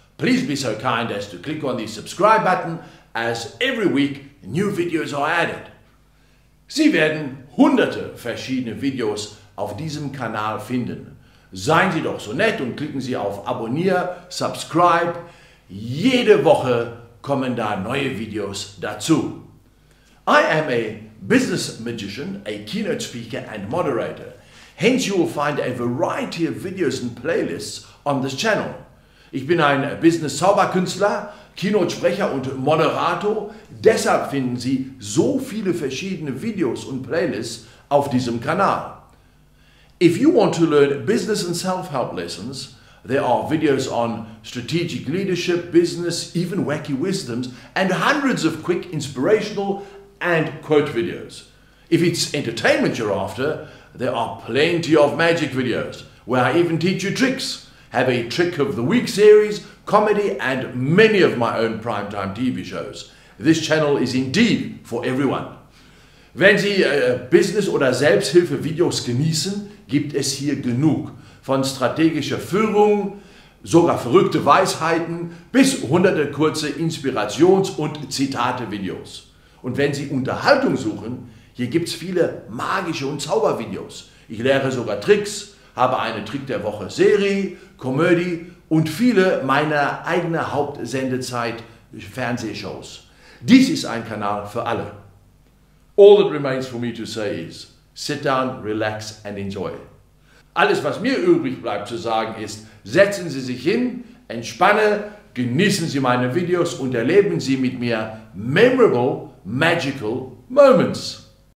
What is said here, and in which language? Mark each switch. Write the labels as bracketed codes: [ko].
[en] Please be so kind as to click on the subscribe button, as every week new videos are added. [de] Sie werden hunderte verschiedene Videos auf diesem Kanal finden. Seien Sie doch so nett und klicken Sie auf Abonnier, Subscribe. Jede Woche kommen da neue Videos dazu. [en] I am a business magician, a keynote speaker and moderator. Hence you will find a variety of videos and playlists on this channel. [de] Ich bin ein Business-Zauberkünstler, Keynote-Sprecher und Moderator. Deshalb finden Sie so viele verschiedene Videos und Playlists auf diesem Kanal. [en] If you want to learn business and self-help lessons, there are videos on strategic leadership, business, even wacky wisdoms, and hundreds of quick inspirational and quote videos. If it's entertainment you're after, there are plenty of magic videos, where I even teach you tricks, have a trick of the week series, comedy, and many of my own primetime TV shows. This channel is indeed for everyone. [de] Wenn Sie Business- oder Selbsthilfe-Videos genießen, gibt es hier genug. Von strategischer Führung, sogar verrückte Weisheiten, bis hunderte kurze Inspirations- und Zitate-Videos. Und wenn Sie Unterhaltung suchen, hier gibt es viele magische und Zaubervideos. Ich lehre sogar Tricks, habe eine Trick-der-Woche-Serie, Comedy und viele meiner eigenen Hauptsendezeit-Fernsehshows. Dies ist ein Kanal für alle. [en] All that remains for me to say is, sit down, relax and enjoy. [de] Alles, was mir übrig bleibt zu sagen ist, setzen Sie sich hin, entspanne, genießen Sie meine Videos und erleben Sie mit mir [en] memorable, magical moments.